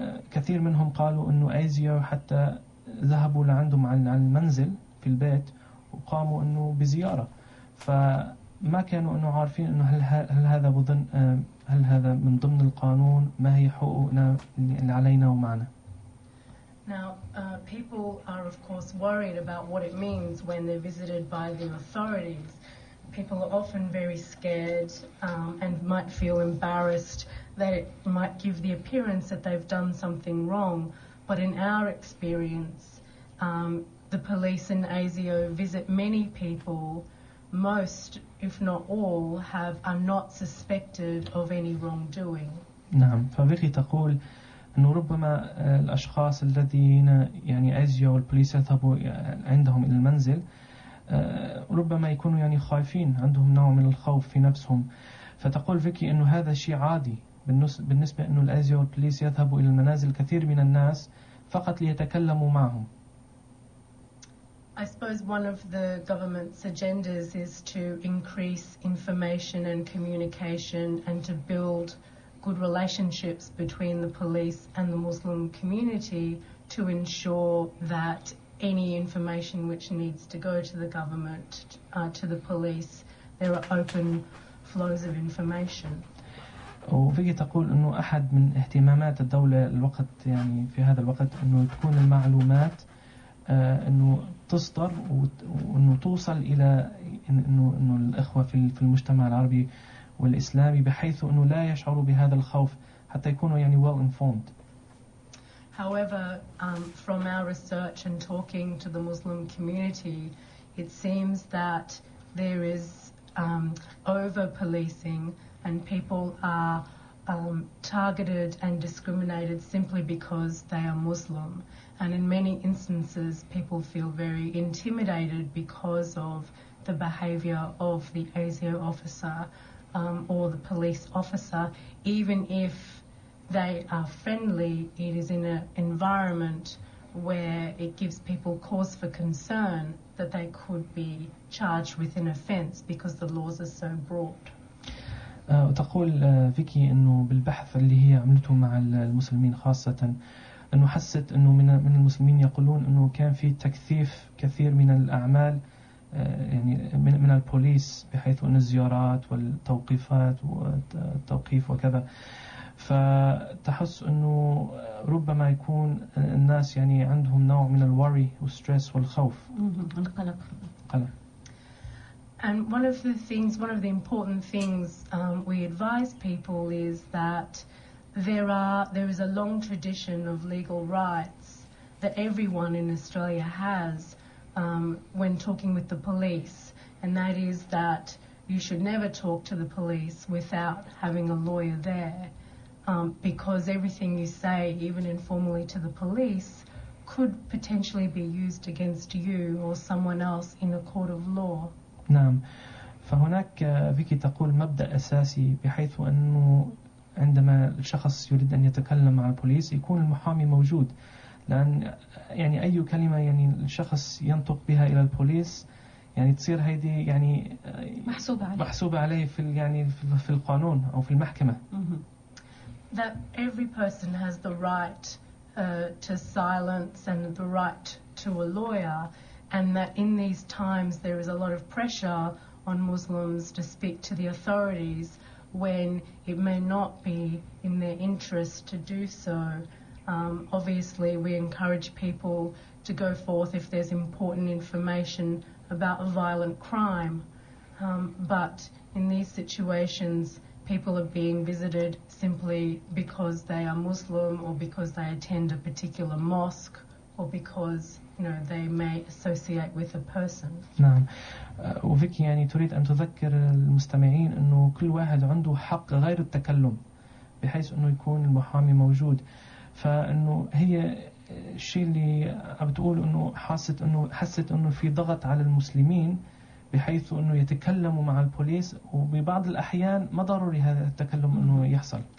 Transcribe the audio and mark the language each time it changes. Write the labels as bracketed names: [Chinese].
[Arabic] كثير منهم قالوا إنه أزيو حتى ذهبوا لعندهم على المنزل في البيت وقاموا إنه بزيارة فما كانوا إنه عارفين إنه هل هذا بضن هل هذا من ضمن القانون ما هي حقوقنا اللي علينا ومعنا. [English] Now, people are of course worried about what it means when they're visited by the authorities. People are often very scared and might feel embarrassed that it might give the appearance that they've done something wrong. But in our experience, the police in ASIO visit many people. Most, if not all, are not suspected of any wrongdoing. [Arabic] نعم، فبيكي تقول أنه ربما الأشخاص الذين يعني ASIO والبوليس يذهبوا عندهم إلى المنزل ربما يكونوا يعني خايفين عندهم نوع من الخوف في نفسهم فتقول فيكي أنه هذا شيء عادي بالنسبة أنه الأزيو والبوليس يذهبوا إلى المنازل كثير من الناس فقط ليتكلموا معهم. [English] I suppose one of the government's agendas is to increase information and communication and to build good relationships between the police and the Muslim community to ensure that any information which needs to go to the government, to the police, there are open flows of information. [Arabic] وفيكي تقول إنه أحد من اهتمامات الدولة الوقت يعني في هذا الوقت إنه تكون المعلومات إنه تصدر وإنه توصل إلى إنه الإخوة في المجتمع العربي والإسلامي بحيث إنه لا يشعروا بهذا الخوف حتى يكونوا يعني [English] well informed. However, from our research and talking to the Muslim community, it seems that there is over-policing and people are targeted and discriminated simply because they are Muslim. And in many instances, people feel very intimidated because of the behavior of the ASIO officer or the police officer, even if they are friendly, it is in an environment where it gives people cause for concern that they could be charged with an offence because the laws are so broad. [Arabic] تقول فيكي إنه بالبحث اللي هي عملته مع المسلمين خاصة إنه حست إنه من المسلمين يقولون إنه كان في تكثيف كثير من الأعمال يعني من البوليس بحيث إنه الزيارات والتوقيفات والتوقيف وكذا. فتحس إنه ربما يكون الناس يعني عندهم نوع من [English] الوري والستريس [Arabic] والخوف. القلق. قلق. [English] And one of the things, one of the important things we advise people is that there is a long tradition of legal rights that everyone in Australia has when talking with the police, and that is that you should never talk to the police without having a lawyer there. Because everything you say, even informally to the police, could potentially be used against you or someone else in a court of law. [Arabic] نعم، فهناك فيكي تقول مبدأ أساسي بحيث أنه عندما الشخص يريد أن يتكلم مع البوليس يكون المحامي موجود، لأن يعني أي كلمة يعني الشخص ينطق بها إلى البوليس يعني تصير هذه يعني محسوبة عليه في يعني في القانون أو في المحكمة. [English] That every person has the right to silence and the right to a lawyer, and that in these times there is a lot of pressure on Muslims to speak to the authorities when it may not be in their interest to do so. Obviously, we encourage people to go forth if there's important information about a violent crime, but in these situations, people are being visited simply because they are Muslim or because they attend a particular mosque or because, you know, they may associate with a person. [Arabic] نعم، وفيكي يعني تريد أن تذكر المستمعين إنه كل واحد عنده حق غير التكلم بحيث إنه يكون المحامي موجود، فإنه هي الشيء اللي بتقول انه حست انه في ضغط على المسلمين بحيث انه يتكلموا مع البوليس وببعض الاحيان ما ضروري هذا التكلم انه يحصل.